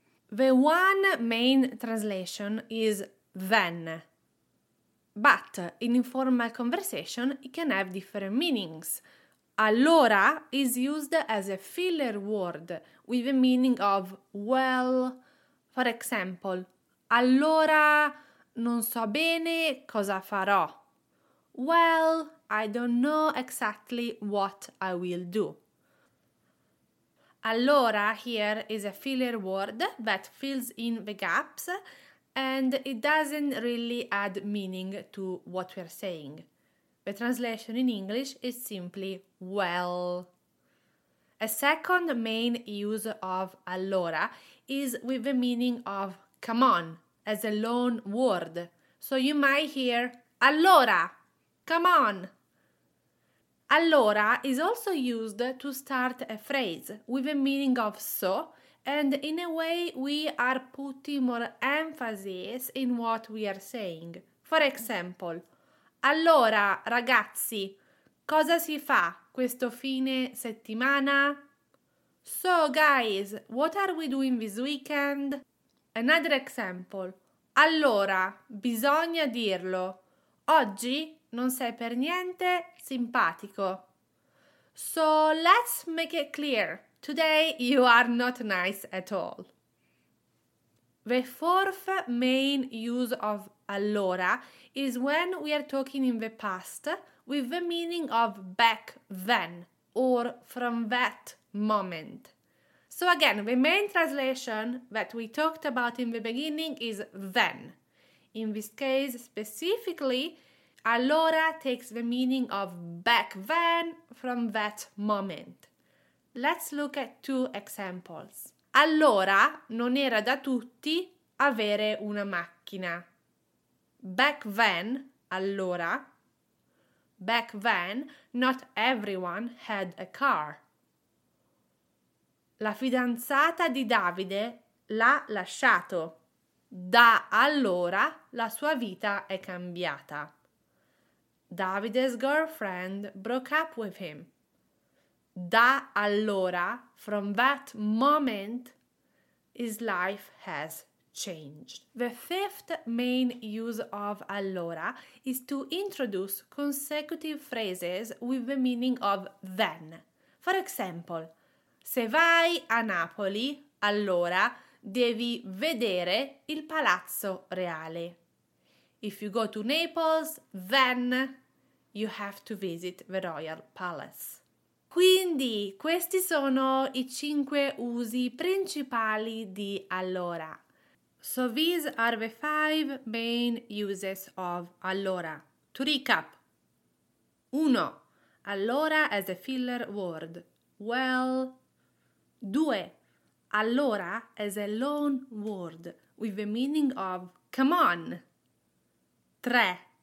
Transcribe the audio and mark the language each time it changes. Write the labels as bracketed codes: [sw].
[en] The one main translation is then. But in informal conversation, it can have different meanings. Allora is used as a filler word with the meaning of well. For example, [it] allora non so bene cosa farò. [en] Well, I don't know exactly what I will do. Allora here is a filler word that fills in the gaps and it doesn't really add meaning to what we're saying. The translation in English is simply well. A second main use of allora is with the meaning of come on, as a loan word. So you might hear allora, come on. Allora is also used to start a phrase with the meaning of so. And in a way, we are putting more emphasis in what we are saying. For example, [it] allora, ragazzi, cosa si fa questo fine settimana? [en] So, guys, what are we doing this weekend? Another example, [it] allora, bisogna dirlo, oggi non sei per niente simpatico. [en] So, let's make it clear. Today you are not nice at all. The fourth main use of allora is when we are talking in the past with the meaning of back then or from that moment. So again, the main translation that we talked about in the beginning is then. In this case specifically, allora takes the meaning of back then from that moment. Let's look at two examples. [it] Allora non era da tutti avere una macchina. [en] Back then, allora. Back then, not everyone had a car. [it] La fidanzata di Davide l'ha lasciato. Da allora la sua vita è cambiata. [en] Davide's girlfriend broke up with him. [it] Da allora, [en] from that moment, his life has changed. The fifth main use of allora is to introduce consecutive phrases with the meaning of then. For example, [it] se vai a Napoli, allora devi vedere il Palazzo Reale. [en] If you go to Naples, then you have to visit the Royal Palace. [it] Quindi, questi sono i cinque usi principali di allora. [en] So these are the five main uses of allora. To recap. 1. Allora as a filler word. Well. 2. Allora as a loan word with the meaning of come on. 3.